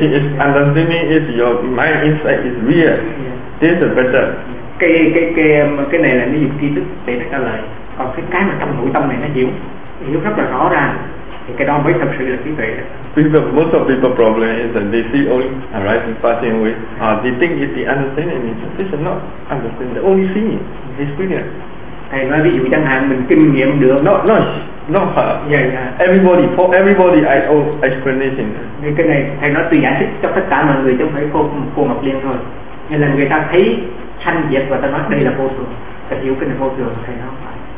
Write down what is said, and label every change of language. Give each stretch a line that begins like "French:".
English: Is understanding is your mind inside is real. Yeah. This is better.
Vietnamese: Cái này là nó dùng kiến thức để trả lời. Còn cái mà trong nội tâm này nó hiểu, hiểu rất là rõ ràng. Thì cái đó mới thật sự là trí tuệ.
English: People, most of people problem is that they see only arising, passing away. They think it's the understanding. This is not understanding. They only see it. Experience.
Vietnamese: Thầy nói ví dụ chẳng hạn mình kinh nghiệm được
English: Not her. Yeah. Everybody, for everybody I owe explanation.
Vietnamese: Cái này thầy nói tôi giải thích cho tất cả mọi người chứ không phải cô Ngọc Liên thôi. Nên là người ta thấy sanh diệt và ta nói đây là vô thường. Ta hiểu cái này vô thường, thầy nói phải.